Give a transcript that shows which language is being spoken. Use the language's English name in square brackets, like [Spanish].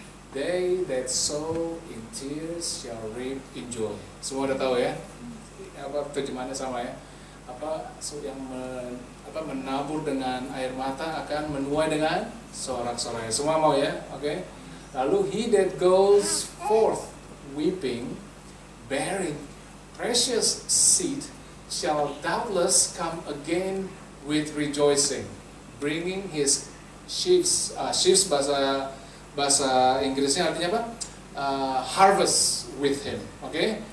[English] They that sow in tears shall reap in joy. [Indonesian] Semua udah tahu ya? Apa terjemahannya sama ya? Apa yang menabur dengan air mata akan menuai dengan sorak-sorai. Semua mau ya? Oke. Okay. [English] Lalu he that goes forth weeping, bearing precious seed, shall doubtless come again with rejoicing, bringing his sheaves. [Indonesian] Sheaves bahasa Inggrisnya artinya apa? [English] Harvest with him. Oke. Okay.